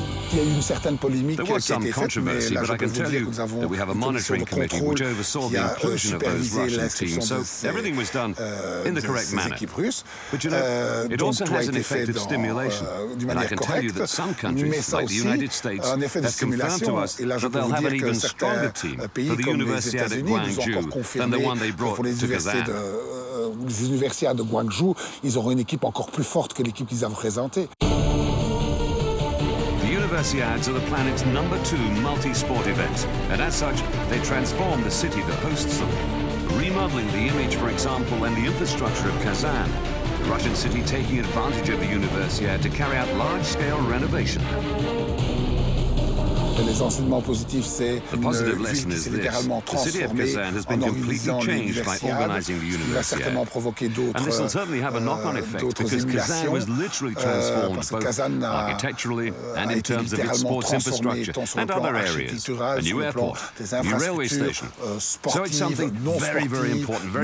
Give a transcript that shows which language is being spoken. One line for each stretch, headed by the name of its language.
French: Il y a eu une certaine polémique qui a été faite, mais là, je peux vous dire que nous avons une commission de contrôle qui a supervisé l'inscription de ces équipes russes. Donc, tout a été fait d'une manière correcte, mais ça aussi un effet de stimulation. Et là, je peux vous dire que certains pays comme les États-Unis nous ont encore confirmé que pour les universités de Guangzhou, ils auront une équipe encore plus forte que l'équipe qu'ils ont présentée.
English: Universiades are the planet's number two multi-sport event, and as such, they transform the city that hosts them. Remodeling the image, for example, and the infrastructure of Kazan, the Russian city taking advantage of the Universiade to carry out large-scale renovation.
French: Et les enseignements positifs, c'est une ville qui s'est littéralement transformée en organisant l'universiade, ce qui va certainement provoquer d'autres émulations, parce que Kazan a été littéralement transformée tant sur le plan architectural, sur le plan des infrastructures sportives, non sportives, nouvel aéroport,